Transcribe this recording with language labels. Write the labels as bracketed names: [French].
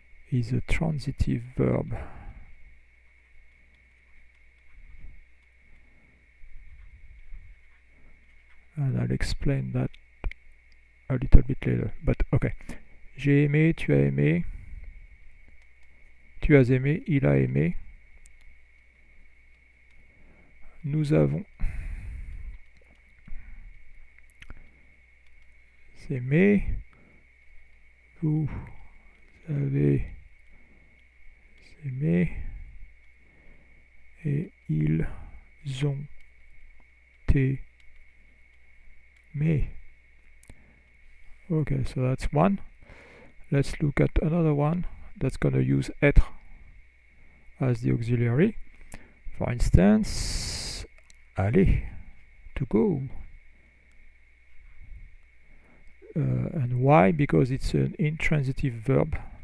[English] Is a transitive verb. And I'll explain that a little bit later. But okay. [French] J'ai aimé, tu as aimé, tu as aimé, il a aimé. Nous avons aimé. Vous avez aimé et ils ont t aimé. [English] Okay, so that's one. Let's look at another one that's gonna use être as the auxiliary. For instance, aller, to go. And why? Because it's an intransitive verb.